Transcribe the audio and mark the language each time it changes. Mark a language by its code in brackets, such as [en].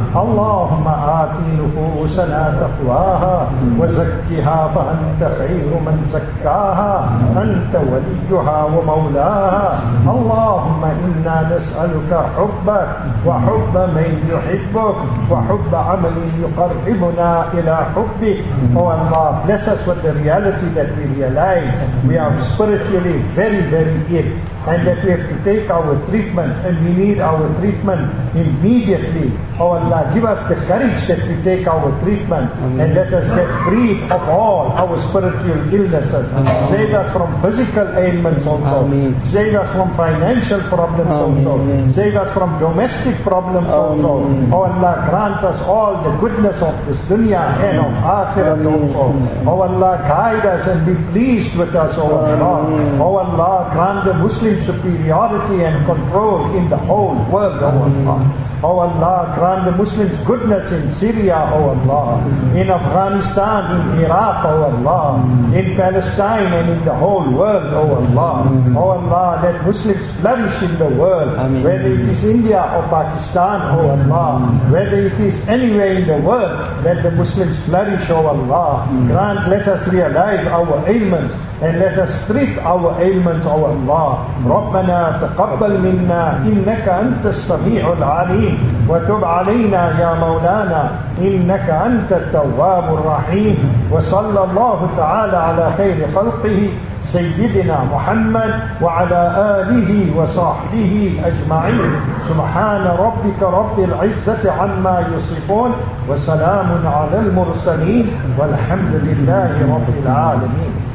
[ar] اللهم آت نفوسنا تقواها وزكها فأنت خير من زكاها أنت وليها ومولاها اللهم إنا نسألك حبك وحب من يحبك وحب عمل يقربنا إلى حبك والله [en] bless us with the reality that we realize we are spiritually very, very ill and that we have to take our treatment and we need our treatment immediately. Oh Allah, give us the courage that we take our treatment and let us get free of all our spiritual illnesses. Save us from physical ailments also. Save us from financial problems also. Save us from domestic problems also. Oh Allah, grant us all the goodness of this dunya and of akhirah also. Oh Allah, guide us and be pleased with us, O Allah. Oh Allah, grant the Muslim superiority and control in the whole world, O Allah. Oh Allah, grant the Muslims goodness in Syria, oh Allah. In Afghanistan, in Iraq, oh Allah. In Palestine and in the whole world, oh Allah. Oh Allah, let Muslims flourish in the world. Whether it is India or Pakistan, oh Allah. Whether it is anywhere in the world, let the Muslims flourish, oh Allah. Grant, let us realize our ailments and let us strip our ailments, O Allah. [ar] رَبَّنَا تَقَبَّلْ مِنَّا إِنَّكَ أَنْتَ السَّمِيعُ الْعَلِيمُ وَتُبْ عَلَيْنَا يَا مَوْلَانَا إِنَّكَ أَنْتَ التَّوَّابُ الرَّحِيمُ وَصَلَّى اللَّهُ تَعَالَى عَلَى خَيْرِ خَلْقِهِ سيدنا محمد وعلى آله وصحبه أجمعين سبحان ربك رب العزة عما يصفون وسلام على المرسلين والحمد لله رب العالمين.